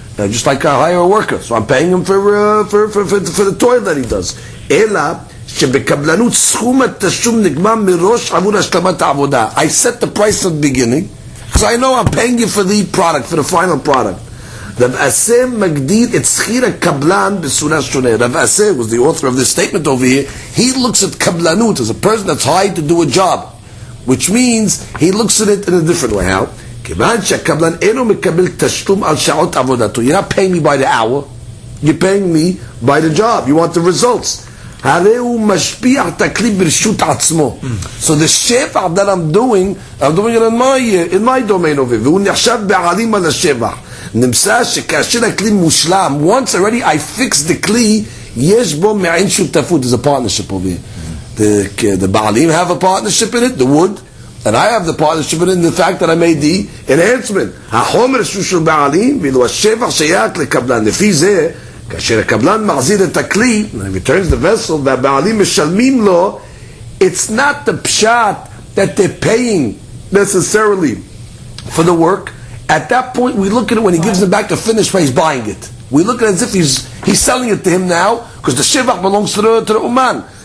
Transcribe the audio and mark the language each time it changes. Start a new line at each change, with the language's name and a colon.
English: Just like I hire a worker, so I'm paying him for the toil that he does.
Hebrew: Ela, שבקבלנות סכום התשלום נגמר מראש עבור השלמת העבודה.
English: I set the price at the beginning, because I know I'm paying you for the product, for the final product.
Hebrew: רב עשה מגדיר את שכיר הקבלן בסורה שונה.
English: רב עשה, who's the author of this statement over here, he looks at קבלנות as a person that's hired to do a job, which means he looks at it in a different way. How?
Hebrew: כיוון שהקבלן אינו מקבל תשלום על שעות עבודתו.
English: You're not paying me by the hour, you're paying me by the job. You want the results.
Hebrew: הרי הוא משפיע את הכלי ברשות עצמו.
English: So the שבח that I'm doing it in my domain of it.
Hebrew: והוא נחשב בעלים על השבח. נמצא שכאשר הכלי מושלם,
English: once already I fixed the
Hebrew: כלי, יש בו מעין שותפות.
English: There's a partnership over here. The בעלים have a partnership in it, the wood, and I have the partnership in it, the fact that I made the enhancement.
Hebrew: החומר שהוא של בעלים, ואילו השבח שייך לקבלן. לפי זה, כאשר הקבלן מחזיר את הכלי,
English: he returns the vessel,
Hebrew: והבעלים משלמים לו,
English: it's not the pshat that they're paying necessarily for the work. At that point, we look at it when he gives it back to finish, but he's buying it. We look at it as if he's selling it to him now, because the shivach belongs to the Uman.